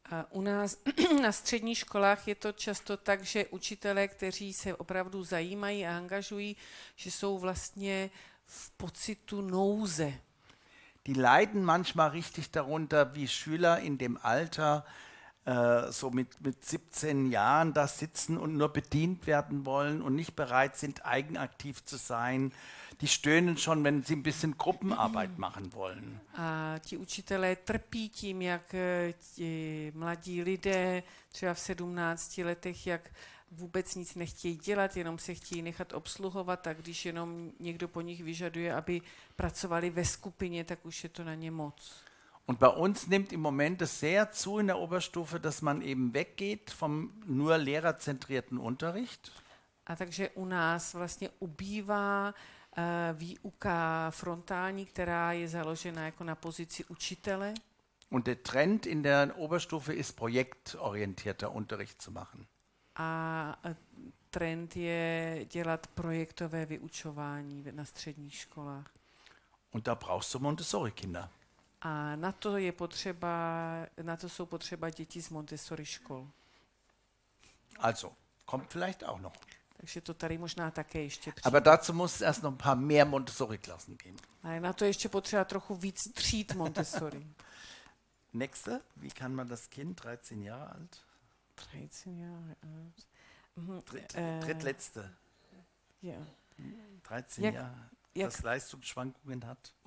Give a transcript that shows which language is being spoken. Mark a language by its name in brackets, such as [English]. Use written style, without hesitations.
[Czech] U nás na středních školách je to často tak, že učitelé, kteří se opravdu zajímají a angažují, že jsou vlastně v pocitu nouze. [German] Die leiden manchmal richtig darunter, wie Schüler in dem Alter so mit 17 Jahren da sitzen und nur bedient werden wollen und nicht bereit sind, eigenaktiv zu sein. Die stöhnen schon, wenn sie ein bisschen Gruppenarbeit machen wollen. [Czech] A ti učitelé trpí tím, jak ti mladí lidé třeba v 17 letech, jak vůbec nic nechtějí dělat, jenom se chtějí nechat obsluhovat, a když jenom někdo po nich vyžaduje, aby pracovali ve skupině, tak už je to na ně moc. [German] Und bei uns nimmt im Moment es sehr zu in der Oberstufe, dass man eben weggeht vom nur lehrerzentrierten Unterricht. [Czech] A takže u nás vlastně ubývá výuka frontální, která je založena jako na pozici učitele. [German] Und der Trend in der Oberstufe ist projektorientierter Unterricht zu machen. [Czech] A trend je dělat projektové vyučování na středních školách. [German] Und da brauchst du Montessori-Kinder. [Czech] A na to je potřeba, na to jsou potřeba děti z Montessori škol. [German] Also, kommt vielleicht auch noch. [Czech] Takže to tady možná také ještě přijde. [German] Aber dazu muss erst noch ein paar mehr Montessori-Klassen gehen. [Czech] Ale na to je ještě potřeba trochu víc tříd Montessori. [German] Nächste, wie kann man das Kind, 13 Jahre alt? 13 Jahre alt. Drittletzte. Ja. 13 Jahre. Jak, das Leistungsschwankungen hat.